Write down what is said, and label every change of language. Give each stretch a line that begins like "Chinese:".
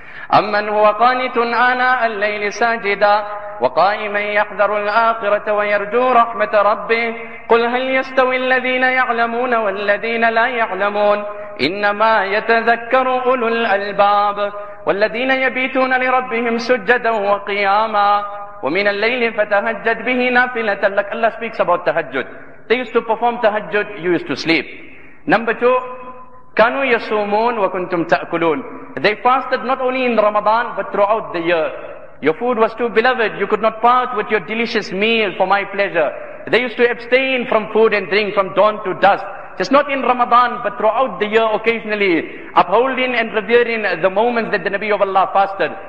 Arabic: أَمَّنْ هُوَ قَانِتٌ آنَاءَ اللَّيْلِ سَاجِدًا وَقَائِمًا يَحْذَرُ الْآخِرَةَ وَيَرْجُو رَحْمَةَ رَبِّهِ قُلْ هَلْ يَسْتَوِي الَّذِينَ يَعْلَمُونَ وَالَّذِينَ لَا يَعْلَمُونَ إِنَّمَا يَتَذَكَّرُ أُولُو الْأَلْبَابِ وَالَّذِينَ يَبِيتُونَ لِرَبِّهِمْ سُجَّدًا وَقِيَامًا وَمِنَ اللَّيْلِ فَتَهَجَّدْ بِهِ نَافِلَةً لَكَ.
English: Allah speaks about tahajjud. They used to perform tahajjud, you used to sleep. Number two,
Arabic: كَانُوا يَصُومُونَ وَكُنْتُمْ تَأْكُلُونَ.
English: They fasted not only in Ramadan but throughout the year. Your food was too beloved, you could not part with your delicious meal for my pleasure. They used to abstain from food and drink from dawn to dusk. just not in Ramadan, but throughout the year occasionally, upholding and revering the moments that the Nabi of Allah fasted.